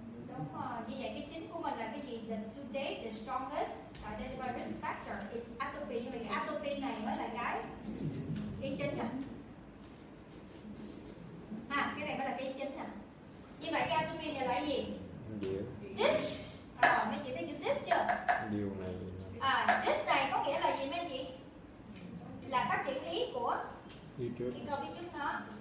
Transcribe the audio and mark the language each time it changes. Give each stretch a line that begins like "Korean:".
Vietnamese: Đúng rồi, như vậy cái chính của mình là cái gì?
English: The, to date, the strongest identified risk factor is atopic.
Vietnamese: Nhưng mà cái atopic này mới là cái chính hả? À, cái này mới là cái chính hả? Như vậy cái atopic này là cái gì? This. À, mấy chị thấy chữ this chưa? Điều này. À, this này có nghĩa là gì mấy chị? Là phát triển ý của cái câu phía trước nó.